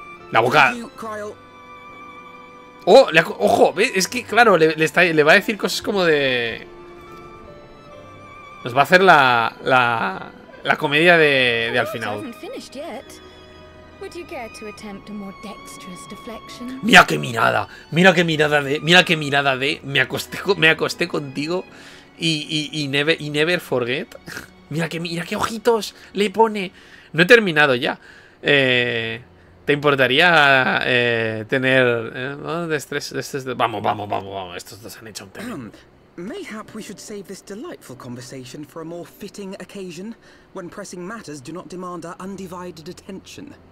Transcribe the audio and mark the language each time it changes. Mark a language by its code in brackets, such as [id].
[es] La boca. ¡Oh! ¡Ojo! Es que claro, le va a decir cosas como de... Nos va a hacer la comedia de al final. [en] Would you care to attempt a more dexterous deflection? [es] Mira qué mirada, mira qué mirada de, mira qué mirada de, me acosté contigo y [en] never forget. [es] Mira qué ojitos le pone. No he terminado ya. ¿Te importaría tener vamos, estos dos han hecho un tema. [en] Mayhap we should save this delightful conversation for a more fitting occasion when pressing matters do not demand our undivided attention.